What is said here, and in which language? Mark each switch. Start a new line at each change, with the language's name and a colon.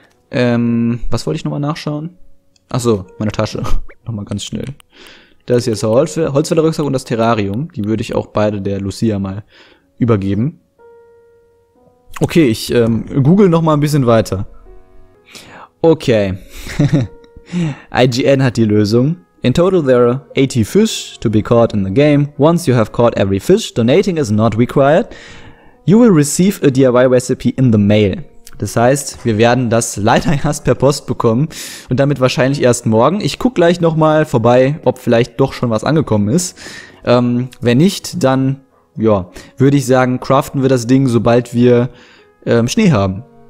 German: Was wollte ich nochmal nachschauen? Achso, meine Tasche. Nochmal ganz schnell. Das ist jetzt der Holzfäller-Rucksack und das Terrarium. Die würde ich auch beide der Lucia mal übergeben. Okay, ich google nochmal ein bisschen weiter. Okay. IGN hat die Lösung.
English: In total there are 80 fish to be caught in the game. Once you have caught every fish, donating is not required. You will receive a DIY recipe in the mail.
German: Das heißt, wir werden das leider erst per Post bekommen und damit wahrscheinlich erst morgen. Ich guck gleich nochmal vorbei, ob vielleicht doch schon was angekommen ist. Wenn nicht, dann ja, würde ich sagen, craften wir das Ding, sobald wir Schnee haben.